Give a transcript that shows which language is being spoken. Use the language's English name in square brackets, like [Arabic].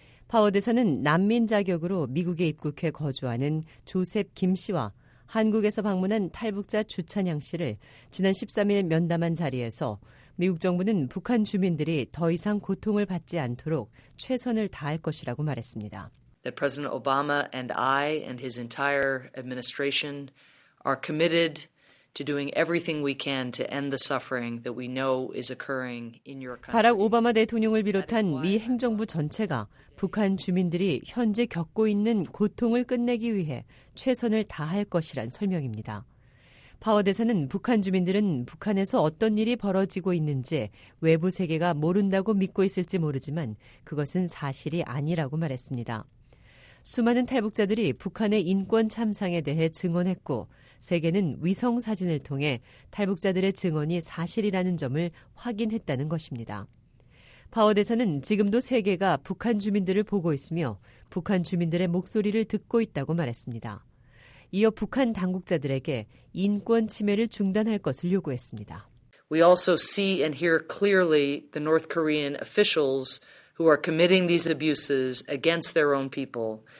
[Korean] 파워 대사는 난민 자격으로 미국에 입국해 거주하는 조셉 김 씨와 한국에서 방문한 탈북자 주찬양 씨를 지난 13일 면담한 자리에서 미국 정부는 북한 주민들이 더 이상 고통을 받지 않도록 최선을 다할 것이라고 말했습니다. [English] That President Obama and I and his entire administration are committed to doing everything we can to end the suffering that we know is occurring in your country. [Korean] 바락 오바마 대통령을 비롯한 미 행정부 전체가 북한 주민들이 현재 겪고 있는 고통을 끝내기 위해 최선을 다할 것이란 설명입니다. 파워 대사는 북한 주민들은 북한에서 어떤 일이 벌어지고 있는지 외부 세계가 모른다고 믿고 있을지 모르지만 그것은 사실이 아니라고 말했습니다. 수많은 탈북자들이 북한의 인권 참상에 대해 증언했고 세계는 위성 사진을 통해 탈북자들의 증언이 사실이라는 점을 확인했다는 것입니다. 파워 대사는 지금도 세계가 북한 주민들을 보고 있으며 북한 주민들의 목소리를 듣고 있다고 말했습니다. 이어 북한 당국자들에게 인권 침해를 중단할 것을 요구했습니다. [English] We also see and hear clearly the North Korean officials who are committing these abuses against their own people.